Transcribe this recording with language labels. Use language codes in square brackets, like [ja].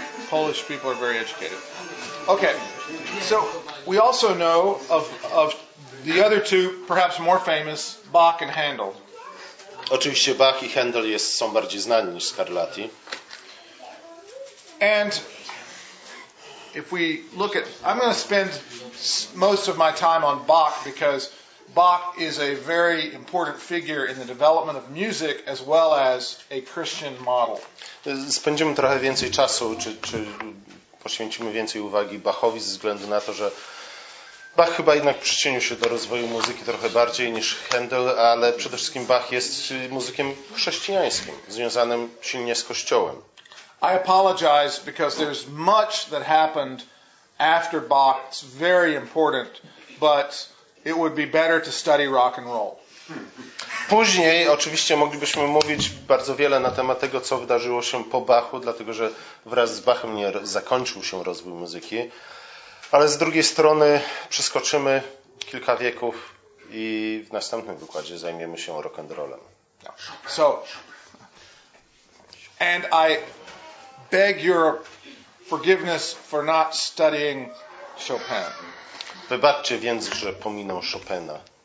[en] Polish people are very educated. Okay. So we also know of the other two, perhaps more famous, Bach and Handel. [pl] Oczywiście Bach i Handel są bardziej znani niż Scarlatti. [en] And if we look at, I'm going to spend most of my time on Bach because Bach is a very important figure in the development of music as well as a Christian model. [pl] Spędzimy trochę więcej czasu, czy poświęcimy więcej uwagi Bachowi ze względu na to, że Bach chyba jednak przyczynił się do rozwoju muzyki trochę bardziej niż Handel, ale przede wszystkim Bach jest muzykiem chrześcijańskim, związanym silnie z Kościołem. [en] I apologize because there's much that happened after Bach. It's very important, but it would be better to study rock and roll. [pl] Później oczywiście moglibyśmy mówić bardzo wiele na temat tego, co wydarzyło się po Bachu, dlatego że wraz z Bachem nie zakończył się rozwój muzyki. Ale z drugiej strony przeskoczymy kilka wieków i w następnym wykładzie zajmiemy się rock and rollem. [en] So, and I beg your forgiveness for not studying Chopin. [pl] Wybaczcie więc, że pominął Chopina.